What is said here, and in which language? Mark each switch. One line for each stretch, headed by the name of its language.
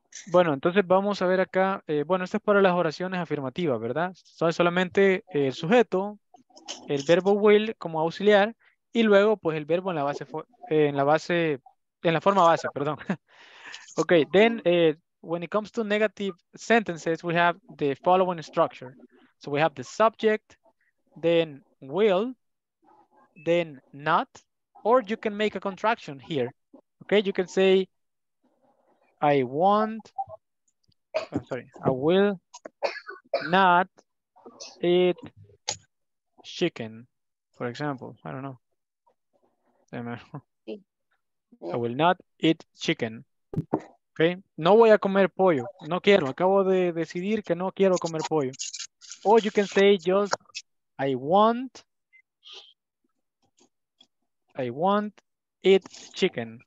Spanish: Bueno, entonces vamos a ver acá, bueno, esto es para las oraciones afirmativas, ¿verdad? Son solamente el sujeto, el verbo will como auxiliar, y luego pues el verbo en la forma base.
English: Okay, then when it comes to negative sentences, we have the following structure. So we have the subject, then will, then not, or you can make a contraction here. Okay, you can say, I will not eat chicken, for example. I don't know. I will not eat chicken. Okay.
Spanish: No voy a comer pollo. No quiero. Acabo de decidir que no quiero comer pollo.
English: Or you can say just, I won't eat chicken.